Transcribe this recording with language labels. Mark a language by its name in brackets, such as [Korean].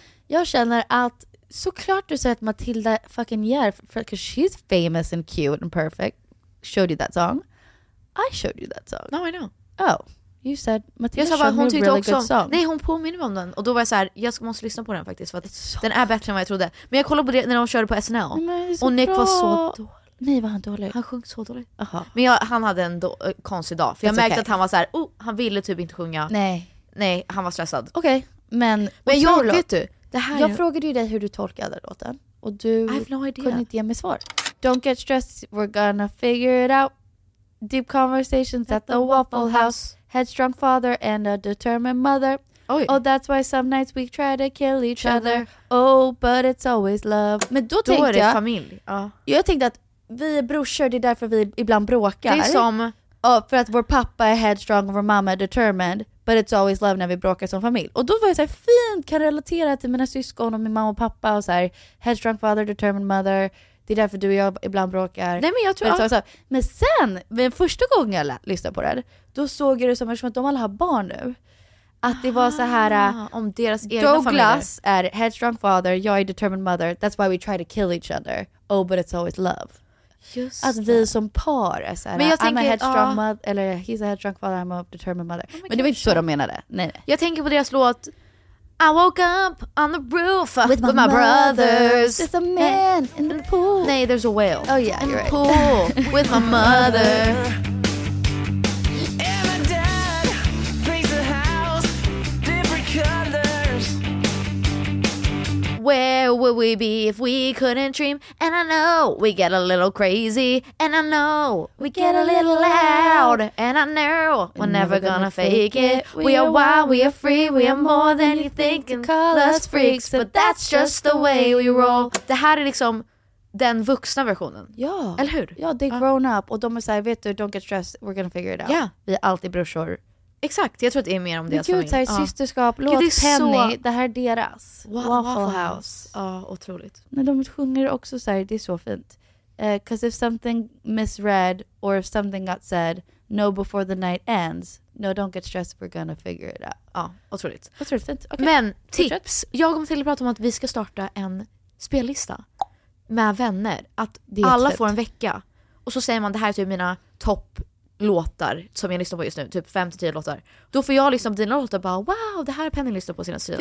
[Swedish] Jag känner att såklart du säger att Matilda fucking gör, [English] because she's famous and cute and perfect. Showed you that song. I showed you that song. No, I know. Oh, you said Matilda showed me a really good song. [Swedish] Nej, hon påminner mig om den. Och då var jag så här, jag måste lyssna på den faktiskt. För att den är bättre än vad jag trodde. Men jag kollade på det när de körde på SNL. Nej, och Nick bra. Var så dålig. Nej, var han dålig? Han sjöng så dåligt. Aha. Men han hade en konstig dag. För jag märkte att han var så här, oh, han ville typ inte sjunga. Nej. Nej, han var stressad. Okej, men... Men jag vet du, det här jag frågade ju dig hur du tolkade låten. Och du kunde inte ge mig svar. [English] Don't get stressed, we're gonna figure it out. Deep conversations at the Waffle House. Headstrong father and a determined mother. [Swedish] Oj. [English] Oh, that's why some nights we try to kill each other. Oh, but it's always love. [Swedish] Men då tänkte är det familj. Ja. Jag tänkte att vi är brorsor, det är därför vi ibland bråkar. Det är som... Oh, för att vår pappa är headstrong och vår mamma är determined. [English] But it's always love [Swedish] när vi bråkar som familj. Och då var jag så här, fint, kan relatera till mina syskon och min mamma och pappa. Och så här, [English] headstrong father, determined mother. [Swedish] Det är därför du och jag ibland bråkar. Nej, men jag tror... Men, så, men sen, men första gången jag lyssnade på det, då såg jag det som att de alla har barn nu. Att det var så här... om deras egna Douglas familjer. Är headstrong father, jag är determined mother. [English] That's why we try to kill each other. Oh, but it's always love. Just [Swedish] att vi som par är såhär, men jag tänker, [English] I'm a headstrong mother, [Swedish] eller [English] he's a headstrong father, I'm a determined mother. Oh, [Swedish] men det var inte så de menade. Nej. Jag tänker på deras låt [English] I woke up on the roof with my brothers. There's a man in the pool. [Swedish] Nej, [English] there's a whale. Oh yeah, in you're the right. Pool with my mother. Where would we be if we couldn't dream? And I know we get a little crazy. And I know we get a little loud. And I know we're never gonna fake it. We are wild, we are free, we are more than you think. And call us freaks, but that's just the way we roll. [Swedish] Det här är liksom den vuxna versionen. Ja. Eller hur? Ja, det är [English] grown up. [Swedish] Och de säger, vet du, [English] don't get stressed, we're gonna figure it out. Yeah. [Swedish] Vi är alltid brorsor. Exakt, jag tror att det är mer om deras familj. Gud, här, systerskap, ja. Låt Penny, så... det här är deras. Waffle House. Ja, otroligt. Men de sjunger också så här, det är så fint. [English] Because if something misread or if something got said, no before the night ends. No, don't get stressed, we're gonna figure it out. [Swedish] Ja, otroligt. Otroligt fint. [English] Okay. [Swedish] Men tips, jag kommer till att prata om att vi ska starta en spellista med vänner. Att alla får en vecka. Och så säger man, det här är typ mina topp... låtar som jag lyssnar på just nu, typ 5-10 låtar. Då får jag liksom dina låtar bara, wow, det här är Penny lyssnar på sina sidan.